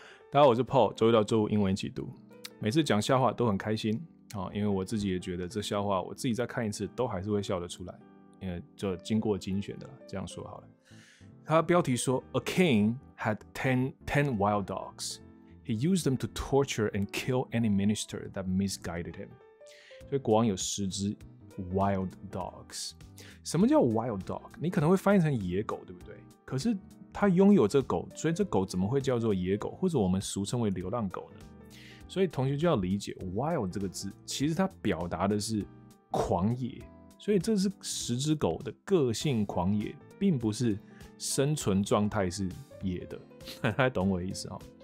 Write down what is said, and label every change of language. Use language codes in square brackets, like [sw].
[zh] 大家好，我是 Paul， 周一到周五英文一起读，每次讲笑话都很开心，因为我自己也觉得这笑话我自己再看一次都还是会笑得出来，因为就经过精选的啦，这样说好了。他标题说 [en] A king had ten wild dogs. He used them to torture and kill any minister that misguided him. [zh] 所以国王有十只 wild dogs. 什么叫 wild dog? 你可能会翻译成野狗，对不对？可是他拥有这狗，所以这狗怎么会叫做野狗，或者我们俗称为流浪狗呢？所以同学就要理解 wild 这个字，其实它表达的是狂野，所以这是十只狗的个性狂野，并不是生存状态是野的，大家懂我的意思哈？